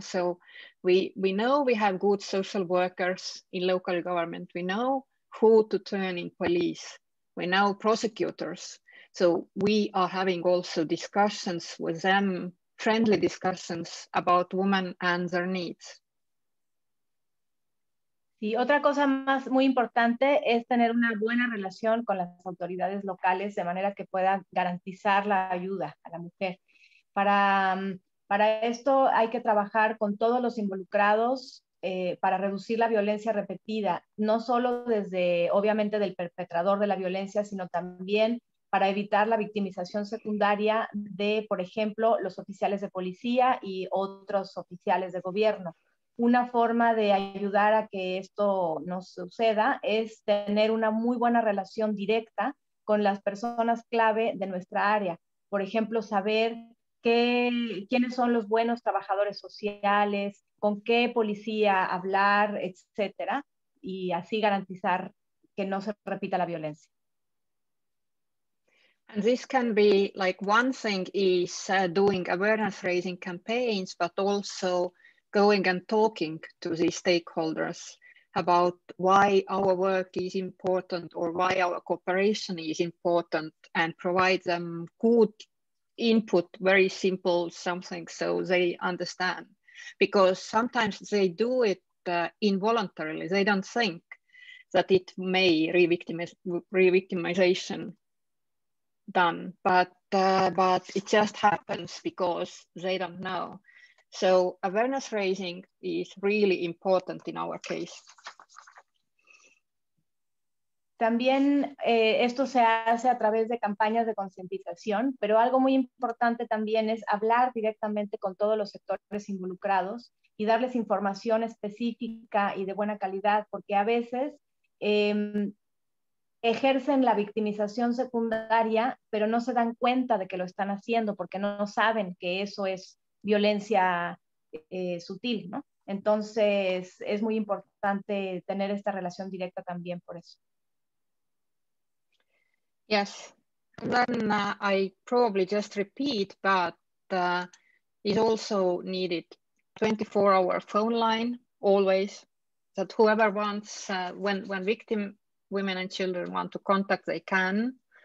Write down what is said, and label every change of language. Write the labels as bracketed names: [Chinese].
[English] So we know we have good social workers in local government. We know who to turn in police. We know prosecutors. So we are having also discussions with them, friendly discussions about women and their needs. [Spanish] Y otra cosa más muy importante es tener una buena relación con las autoridades locales de manera que puedan garantizar la ayuda a la mujer. Para esto hay que trabajar con todos los involucrados para reducir la violencia repetida, no solo desde, obviamente, del perpetrador de la violencia, sino también para evitar la victimización secundaria de, por ejemplo, los oficiales de policía y otros oficiales de gobierno. Una forma de ayudar a que esto no suceda es tener una muy buena relación directa con las personas clave de nuestra área. Por ejemplo, saber quiénes son los buenos trabajadores sociales, con qué policía hablar, etcétera, y así garantizar que no se repita la violencia. [English] And this can be like one thing is doing awareness raising campaigns, but also going and talking to the stakeholders about why our work is important or why our cooperation is important, and provide them good input, very simple something, so they understand. Because sometimes they do it involuntarily. They don't think that it may re-victimization done, but it just happens because they don't know. So awareness raising is really important in our case. [Spanish] También esto se hace a través de campañas de concientización, pero algo muy importante también es hablar directamente con todos los sectores involucrados y darles información específica y de buena calidad, porque a veces ejercen la victimización secundaria, pero no se dan cuenta de que lo están haciendo porque no saben que eso es violencia sutil, ¿no? Entonces, es muy importante tener esta relación directa también por eso. [English] Yes. Then I probably just repeat, but it also needed 24-hour phone line, always, that whoever wants, when victim women and children want to contact, they can.